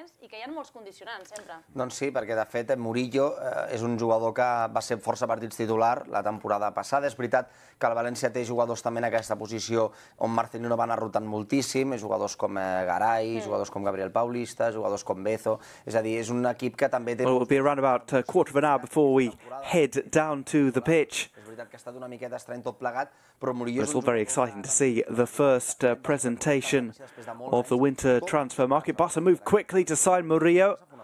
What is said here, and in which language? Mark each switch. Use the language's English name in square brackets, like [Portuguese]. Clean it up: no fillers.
[Catalan] Doncs sí, perquè de fet Murillo és un jugador que va ser força partits titular la temporada passada. És veritat que la València té jugadors també en aquesta posició on Marcelino va anar rotant moltíssim, jugadors com Garay, jugadors com Gabriel Paulista, jugadors com Bezo. És a dir, és un equip que també té... [English] Well, it'll be around about a quarter of an hour before we head down to the pitch. [Catalan] Que ha estat una miqueta estrany tot plegat, però Murillo... [English] It's all very exciting to see the first presentation of the winter transfer market. Barça move quickly to sign Murillo.